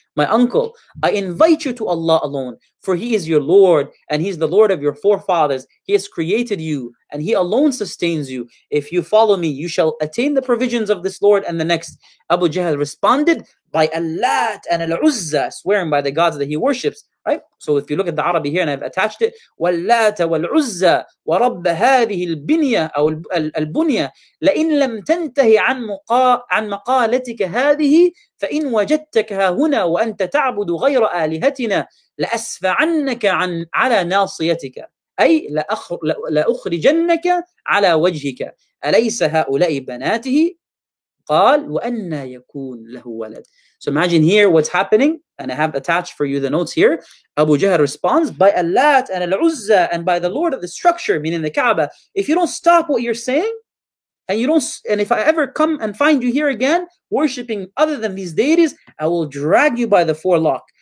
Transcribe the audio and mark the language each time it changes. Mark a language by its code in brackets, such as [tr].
[en] My uncle, I invite you to Allah alone, for he is your Lord, and he's the Lord of your forefathers. He has created you, and he alone sustains you. If you follow me, you shall attain the provisions of this Lord and the next." Abu Jahl responded, "By Allah and Al-Uzza," swearing by the gods that he worships. Right? So if you look at the Arabic here, and I've attached it, [ar] وَاللَّاتَ وَالْعُزَّى وَرَبَّ هَذِهِ الْبِنْيَةِ أَوْ الْبُنْيَةِ لَإِنْ لَمْ تَنْتَهِ عَنْ مَقَالَتِكَ هَذِهِ فَإِنْ وَجَدْتَكَ هُنَا وَأَنْتَ تَعْبُدُ غَيْرَ آلِهَتِنَا لَأَسْفَعَنَّكَ عَلَى نَاصِيَتِكَ أي لَأُخْرِجَنَّكَ عَلَى وَجْهِكَ أَلَيْسَ هَؤُلَاءِ بَنَاتِهِ قال وأن يكون له ولد. [en] So imagine here what's happening, and I have attached for you the notes here. Abu Jahl responds, "By Allah and Al-Uzza, and by the Lord of the structure," meaning the Kaaba, "if you don't stop what you're saying, and if I ever come and find you here again worshiping other than these deities, I will drag you by the forelock.